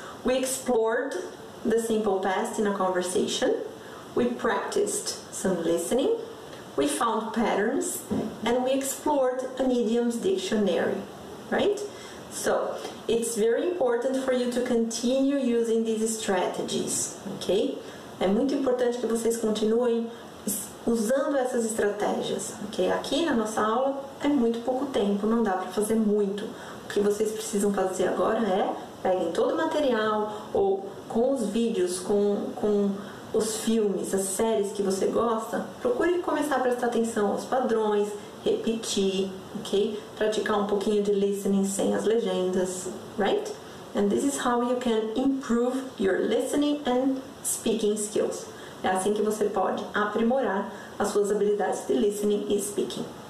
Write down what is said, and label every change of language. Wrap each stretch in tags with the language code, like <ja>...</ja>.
<en>We explored the simple past in a conversation. We practiced some listening. We found patterns. And we explored an idioms dictionary. Right? So, it's very important for you to continue using these strategies. Okay?</en> <pt>É muito importante que vocês continuem usando essas estratégias, ok? Aqui na nossa aula é muito pouco tempo, não dá para fazer muito. O que vocês precisam fazer agora é peguem todo o material ou com os vídeos, com os filmes, as séries que você gosta, procure começar a prestar atenção aos padrões, repetir, ok? Praticar um pouquinho de listening sem as legendas, right?</pt> <en>And this is how you can improve your listening and speaking skills.</en> <pt>É assim que você pode aprimorar as suas habilidades de listening e speaking.</pt>